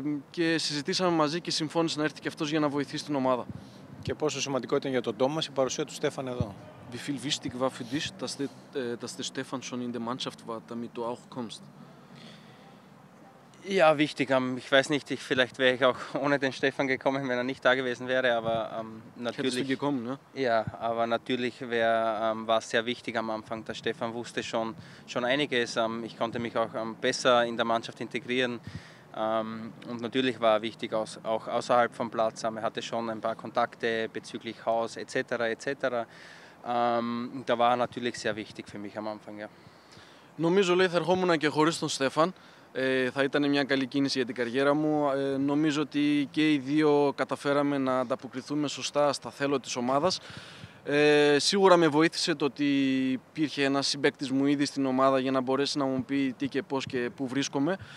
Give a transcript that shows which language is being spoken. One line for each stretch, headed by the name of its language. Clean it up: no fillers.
Greek: Και συζητήσαμε μαζί και συμφώνησε να έρθει κι αυτός για να βοηθήσει την ομάδα. Και πόσο σημαντικό ήταν για τον Τόμας η παρουσία του Στέφαν εδώ?
German: Wie viel wichtig war für dich, dass der Stefan schon in der Mannschaft war, damit du auch kommst? Ja, wichtig. Ich weiß nicht, vielleicht wäre ich auch ohne den Stefan gekommen, wenn er nicht da gewesen wäre. Aber natürlich. Hättest du gekommen, ne? Ja, aber natürlich war es sehr wichtig am Anfang. Der Stefan wusste schon einiges. Ich konnte mich auch besser in der Mannschaft integrieren. Und natürlich war er wichtig, auch außerhalb vom Platz. Er hatte schon ein paar Kontakte bezüglich Haus etc. etc. Da war er natürlich sehr wichtig für mich am Anfang. Ja.
Greek: Νομίζω, λέει, θα ερχόμουν και χωρίς τον Στέφαν. Θα ήταν μια καλή κίνηση για την καριέρα μου. Νομίζω ότι και οι δύο καταφέραμε να ανταποκριθούμε σωστά στα θέλω της ομάδας. Σίγουρα με βοήθησε το ότι υπήρχε ένα συμπαίκτης μου ήδη στην ομάδα για να μπορέσει να μου πει τι και πώς και πού βρίσκομαι.